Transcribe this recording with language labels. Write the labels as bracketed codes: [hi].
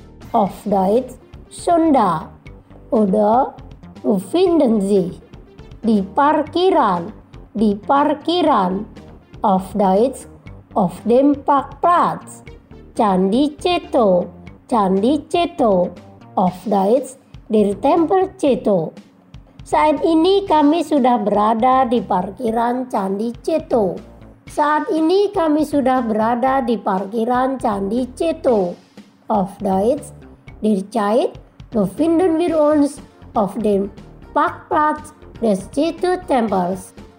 [de] Auf Deutsch schon da oder befinden sich. [id] Di Parkiran, di Parkiran. [de] Auf Deutsch auf dem Parkplatz, Candi Ceto. Candi Ceto, of Deutsch, der Tempel Ceto. [id] Saat ini kami sudah berada di parkiran Candi Ceto. Saat ini kami sudah berada di parkiran Candi Ceto. [de] Of Deutsch, der Zeit, befinden wir uns auf dem Parkplatz des Ceto Tempels.